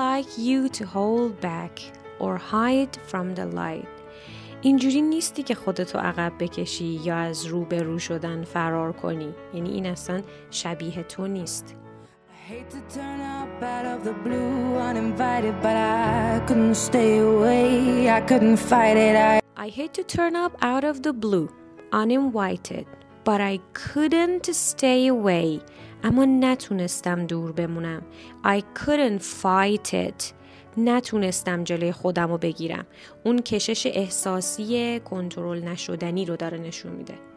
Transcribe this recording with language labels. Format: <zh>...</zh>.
<en>like you to hold back or hide from the light.</en> <fa>اینجوری نیستی که خودتو عقب بکشی یا از روبرو شدن فرار کنی. یعنی این اصلا شبیه تو نیست.</fa> <en>Hate to turn up out of the blue uninvited, but I couldn't stay away, I couldn't fight it. I hate to turn up out of the blue uninvited, but I couldn't stay away.</en> <fa>اما نتونستم دور بمونم.</fa> <en>I couldn't fight it.</en> <fa>نتونستم جلوی خودم رو بگیرم. اون کشش احساسی کنترل نشدنی رو داره نشون میده.</fa>